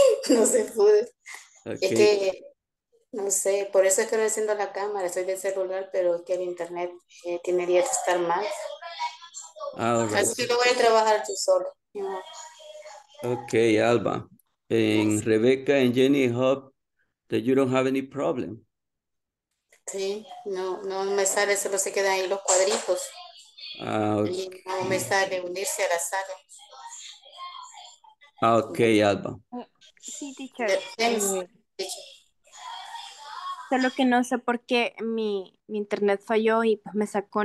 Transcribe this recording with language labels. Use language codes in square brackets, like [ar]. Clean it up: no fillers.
[es] No se pudo. Okay. Es que no sé, por eso es que no enciendo la cámara, estoy del celular, pero es que el internet tiene día de estar mal. Ah, okay. Así que lo voy a trabajar tú solo. Ok, Alba. En sí. [en] Rebeca, en Jenny, hope that you don't have any problem. [es] Sí, no, no me sale, solo se quedan ahí los cuadritos. Ah, okay. Y no me sale unirse a la sala. Ah, ok, Alba. Sí, teacher. Solo que no sé por qué mi internet falló y pues me sacó.